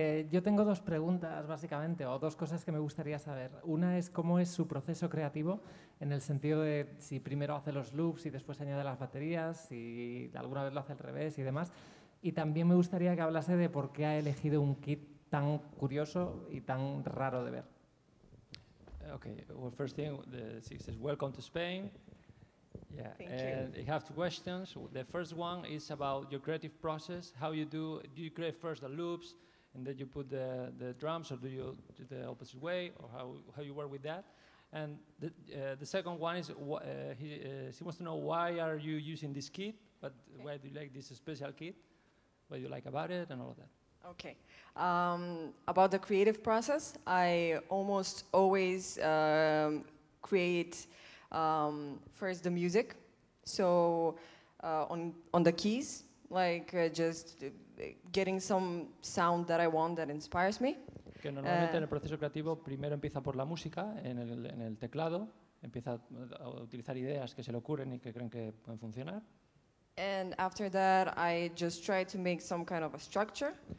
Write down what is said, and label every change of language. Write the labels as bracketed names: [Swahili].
[Spanish] Yo tengo dos preguntas, básicamente, o dos cosas que me gustaría saber. Una es cómo es su proceso creativo, en el sentido de si primero hace los loops y después añade las baterías, si alguna vez lo hace al revés y demás. Y también me gustaría que hablase de por qué ha elegido un kit tan curioso y tan raro de ver. [English] Okay, well, first thing, the six is welcome to Spain. Yeah. Thank you. I have two questions. The first one is about your creative process. How you do? Do you create first the loops, and then you put the drums, or do you do the opposite way, or how you work with that? And the second one is he wants to know why are you using this kit, but why do you like this special kit? What do you like about it and all of that? Okay. About the creative process, I almost always create first the music. So on the keys, like just getting some sound that I want that inspires me. [Spanish] Que normalmente en el proceso creativo primero empieza por la música, en el teclado, empieza a utilizar ideas que se le ocurren y que creen que pueden funcionar. [English] And after that, I just try to make some kind of a structure.